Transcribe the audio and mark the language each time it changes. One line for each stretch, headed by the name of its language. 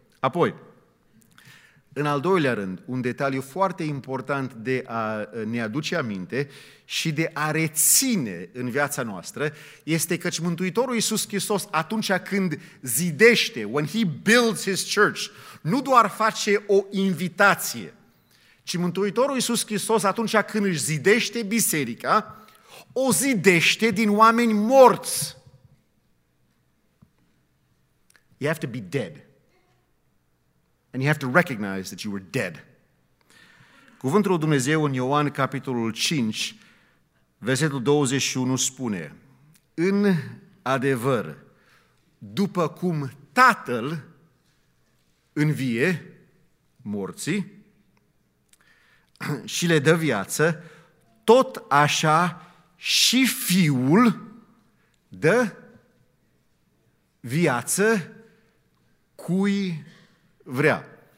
Romanian: Apoi, în al doilea rând, un detaliu foarte important de a ne aduce aminte și de a reține în viața noastră, este că Mântuitorul Iisus Hristos, atunci când zidește,
English: when he builds his church,
Romanian: nu doar face o invitație, ci Mântuitorul Iisus Hristos, atunci când își zidește biserica, o zidește din oameni morți.
English: You have to be dead. And you have to recognize that you were dead.
Romanian: Cuvântul lui Dumnezeu în Ioan, capitolul 5, versetul 21, spune: în adevăr, după cum Tatăl învie morții și le dă viață, tot așa și Fiul dă viață cui vrea.